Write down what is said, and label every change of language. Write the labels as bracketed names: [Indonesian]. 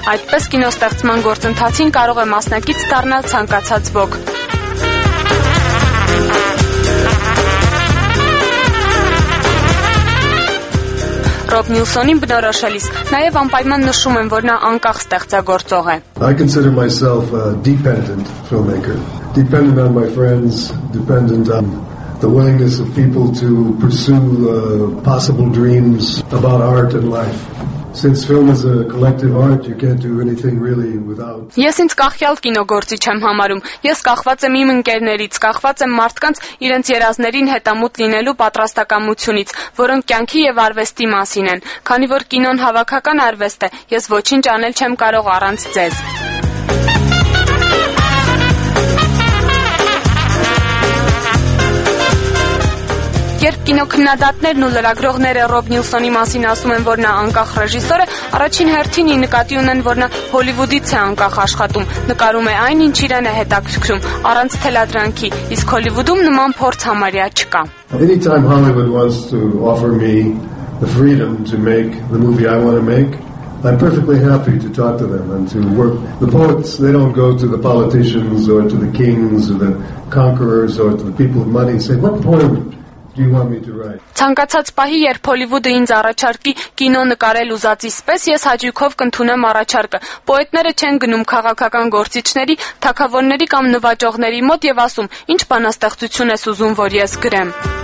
[Armenian] Այդպես կինո ստեղծման գործընթացին կարող է մասնակից դառնալ ցանկացած ոք։ Ռոբ Նյուսոնին բնորոշելիս նաև անպայման նշում եմ, որ նա անկախ ստեղծագործող է։ [English] I consider myself a dependent filmmaker, dependent on my friends, dependent on the willingness of people to pursue possible dreams about art and life. Since film is a collective art, you can't do anything really without. [Armenian] Ես ինձ կախյալ կինոգործի չեմ համարում։ Ես կախված եմ իմ ընկերներից, կախված եմ մարդկանց իրենց երազներին հետամուտ լինելու պատրաստակամությունից, որոնք կյանքի եւ արվեստի մասին են։ Քանի որ կինոն հավաքական արվեստ է, ես ոչինչ անել չեմ կարող առանց ձեզ։ Երբ կինոքննադատներն ու լրագրողները Ռոբ Նիլսոնի մասին ասում են, որ նա անկախ ռեժիսոր է, առաջին հերթին ի նկատի ունեն, որ նա Հոլիվուդից է անկախ աշխատում, նկարում է այն, ինչ իրեն է հետաքրքրում, առանց թելադրանքի, իսկ Հոլիվուդում նման փորձ համարյա չկա։ [English] Any time Hollywood wants to offer me the freedom to make the movie I want to make, I'm perfectly happy to talk to them and to work. The poets, they don't go to the politicians or to the kings or the conquerors or to the people of money and say, what poem do you want me to write? [Armenian] Ցանկացած պահի, երբ Հոլիվուդը ինձ առաջարկի կինո նկարել ուզածիսպես, ես հաճույքով կընդունեմ առաջարկը։ Պոետները չեն գնում քաղաքական գործիչների, թագավորների կամ նվաճողների մոտ եւ ասում, ինչ բանաստեղծություն ես ուզում, որ ես գրեմ։